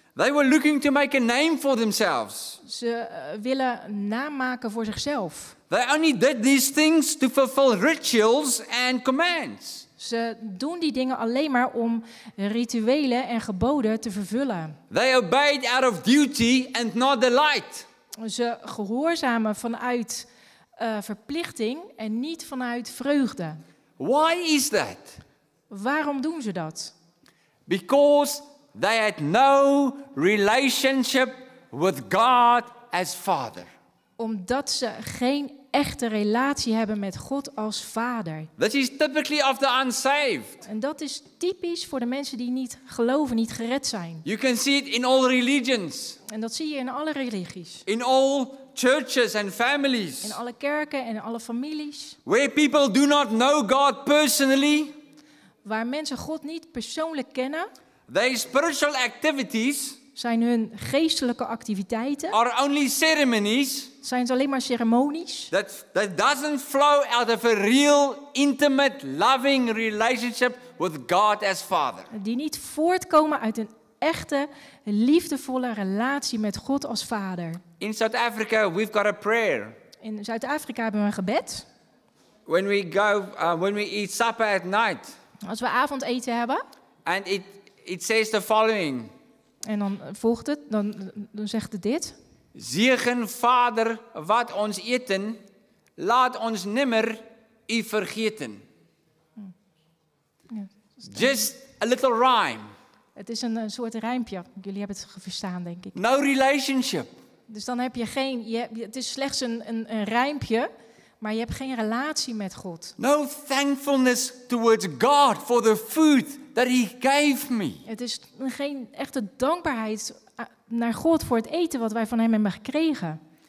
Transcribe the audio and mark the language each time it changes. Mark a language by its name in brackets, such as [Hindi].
[English] They were looking to make a name for themselves. [Dutch] Ze willen naam maken voor zichzelf. [English] They only did these things to fulfill rituals and commands. [Dutch] Ze doen die dingen alleen maar om rituelen en geboden te vervullen. [English] They obeyed out of duty and not delight. [Dutch] Ze gehoorzamen vanuit verplichting en niet vanuit vreugde. [English] Why is that? [Dutch] Waarom doen ze dat? [English] Because they had no relationship with God as Father. [Dutch] Omdat ze geen echte relatie hebben met God als vader. [English] That is typically of the unsaved. [Dutch] En dat is typisch voor de mensen die niet geloven, niet gered zijn. [English] You can see it in all religions. [Dutch] En dat zie je in alle religies. [English] In all churches and families. [Dutch] In alle kerken en alle families. [English] Where people do not know God personally. [Dutch] Waar mensen God niet persoonlijk kennen. [English] Their spiritual activities. [Dutch] Zijn hun geestelijke activiteiten. [English] Are only ceremonies. [Dutch] Zijn ze alleen maar ceremonies. [English] That doesn't flow out of a real, intimate, loving relationship with God as Father. [Dutch] Die niet voortkomen uit een echte, liefdevolle relatie met God als Vader. [English] In South Africa, we've got a prayer. [Dutch] In Zuid-Afrika hebben we een gebed. [English] When we go, when we eat supper at night. [Dutch] Als we avondeten hebben. [English] And it says the following. [Dutch] En dan volgt het, dan zegt het dit. Zegen, Vader, wat ons eten, laat ons nimmer u vergeten. Ja, [English] just a little rhyme. [Dutch] Het is een soort rijmpje, jullie hebben het verstaan, denk ik. [English] No relationship. [Dutch] Dus dan heb je geen, het is slechts een rijmpje, maar je hebt geen relatie met God. [English] No thankfulness towards God for the food that he gave me. [Dutch] Het is geen echte dankbaarheid naar God voor het eten wat wij van hem hebben gekregen.